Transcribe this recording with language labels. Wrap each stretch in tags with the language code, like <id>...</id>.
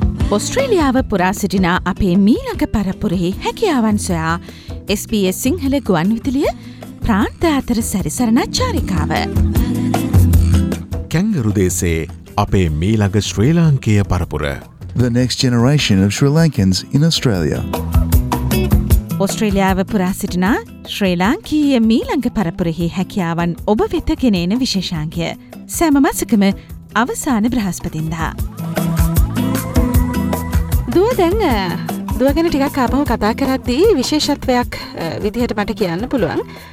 <si>ඔස්ට්‍රේලියාව පුරා සිටින අපේ මීළඟ පරපුරෙහි හැකියාවන් සොයා SBS සිංහල ගුවන්විදුලිය ප්‍රාන්ත අතර සැරිසරන චාරිකාව. කැංගරු දේශයේ අපේ මීළඟ ශ්‍රී ලාංකේය පරපුර.</si> <en>The next generation of Sri Lankans in Australia.</en> <si>ඔස්ට්‍රේලියාව පුරා සිටින ශ්‍රී ලාංකීය මීළඟ පරපුරෙහි හැකියාවන් ඔබ වෙත ගෙන එන විශේෂාංගය. සෑම මාසිකම අවසාන බ්‍රහස්පතින්දා. දුව දැන් දුවගෙන ටිකක් ආපහු කතා කරද්දී විශේෂත්වයක් විදිහට මට කියන්න පුළුවන්.</si>